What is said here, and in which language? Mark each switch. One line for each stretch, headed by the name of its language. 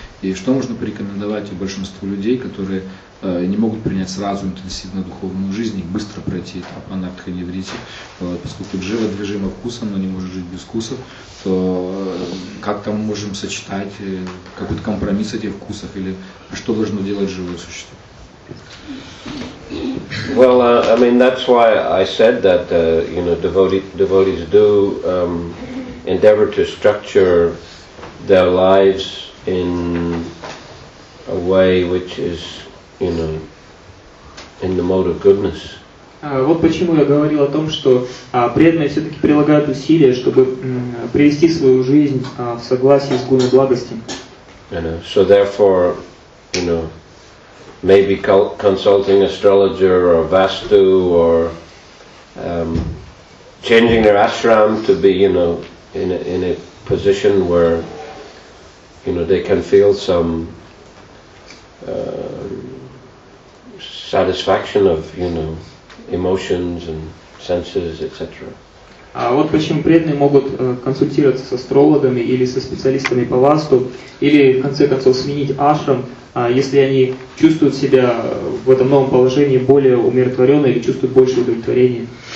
Russian: И что можно порекомендовать большинству людей, которые не могут принять сразу интенсивно духовную жизнь и быстро пройти этап анартха неврити, поскольку джива движима вкусом, но не может жить без вкусов, то как там можем сочетать какой-то компромисс этих вкусов или что должно делать живое существо?
English: Well, I mean, that's why I said that, you know, devotees do endeavor to structure their lives in a way which is, you know, in the mode of goodness.
Russian: Вот почему я говорил о том, что преданные все-таки прилагают усилия, чтобы привести свою жизнь в согласии с гуной благости.
English: So therefore, you know, maybe consulting astrologer or vastu or changing their ashram to be, you know, in a position where, you know, they can feel some satisfaction of, you know, emotions and senses, etc.
Russian: А вот почему преданные могут консультироваться с астрологами или со специалистами по васту, или в конце концов сменить ашрам, если они чувствуют себя в этом новом положении более умиротворенно или чувствуют больше удовлетворения.